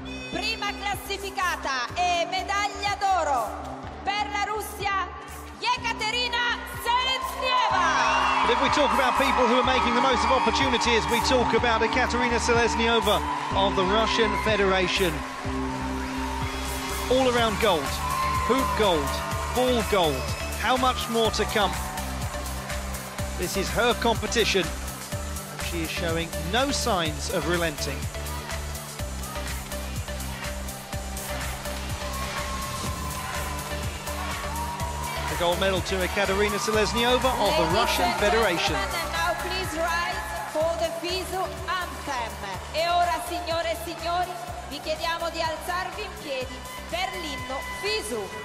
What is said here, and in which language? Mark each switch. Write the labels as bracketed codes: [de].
[it] Prima classificata e medaglia d'oro per la Russia, Yekaterina Selesnieva. [en] But if we talk about people who are making the most of opportunities, we talk about Yekaterina Selesnieva of the Russian Federation. All around gold, hoop gold, ball gold, how much more to come? This is her competition. She is showing no signs of relenting. A gold medal to Yekaterina Selesnieva of the Russian Federation. Now please rise for the FISU anthem. [it] E ora, signore e signori, vi chiediamo di alzarvi in piedi per l'inno FISU.